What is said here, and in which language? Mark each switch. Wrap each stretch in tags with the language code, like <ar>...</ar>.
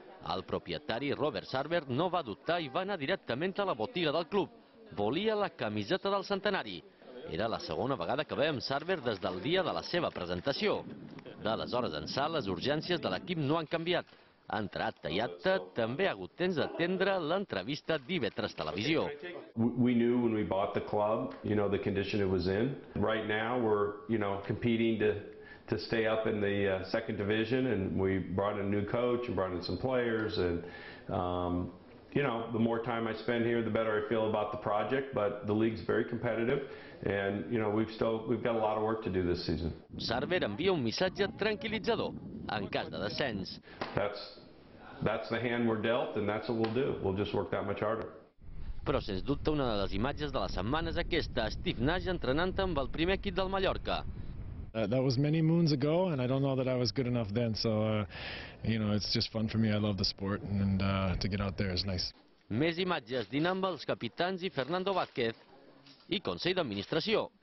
<ca>El propietari Robert Sarver no va dubtar i va anar directament a la botiga del club. Volia la camiseta del centenari. Era la segona vegada que veiem Sarver des del dia de la seva presentació. D'aleshores ençà, les urgències de l'equip no han canviat. Entre acte i acte, també ha hagut temps d'atendre l'entrevista d'IB3 Televisió.</ca> <en>We knew when we bought the club, you know, the condition it was in. Right now we're, you know, competing to stay up in the second division, and we brought in a new coach and brought in some players, and you know, the more time I spend here, the better I feel about the project, but the league's very competitive, and you know, we've got a lot of work to do this season.</en> <ca>Sarver envia un missatge tranquil·litzador en cas de descens.</ca> <en>That's the hand we're dealt, and that's what we'll do. We'll just work that much harder.</en> <ca>Però, sens dubte, una de les imatges de la setmana és aquesta. Steve Nash entrenant amb el primer equip del Mallorca.</ca> <en>That was many moons ago, and I don't know that I was good enough then, so, you know, it's just fun for me. I love the sport, and to get out there is nice.</en> <ca>Més imatges, dinant amb els capitans i Fernando Vázquez i Consell d'Administració.</ca>